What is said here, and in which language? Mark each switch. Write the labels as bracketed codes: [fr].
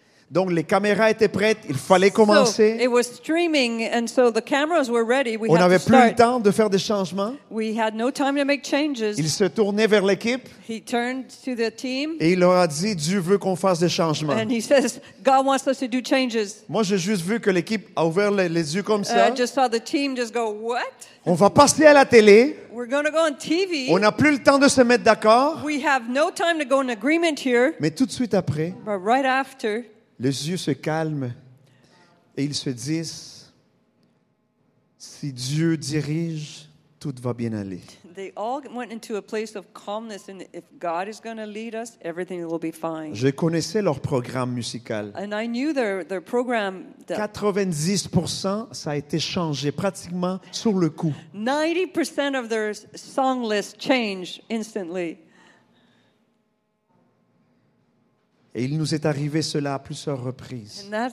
[fr] Donc les caméras étaient prêtes, il fallait commencer. [en] So, it was streaming, and so the cameras were ready. [fr] On n'avait plus le temps de faire des changements. [en] We had no time to make changes. [fr] Il se tournait vers l'équipe. [en] He turned to the team. [fr] Et il leur a dit, Dieu veut qu'on fasse des changements. [en] And he says, God wants us to do changes. [fr] Moi, j'ai juste vu que l'équipe a ouvert les yeux comme ça. [en] I just saw the team just go, what? [fr] On va passer à la télé. [en] We're gonna go on TV. [fr] On n'a plus le temps de se mettre d'accord. [en] We have no time to go in agreement here. [fr] Mais tout de suite après. [en] But right after. [fr] Les yeux se calment et ils se disent, si Dieu dirige, tout va bien aller. [en] They all went into a place of calmness, and if God is going to lead us, everything will be fine. [fr] Je connaissais leur programme musical. [en] And I knew their program. [fr] 90% ça a été changé pratiquement sur le coup. [en] 90% of their song list changed instantly. [fr] Et il nous est arrivé cela à plusieurs reprises.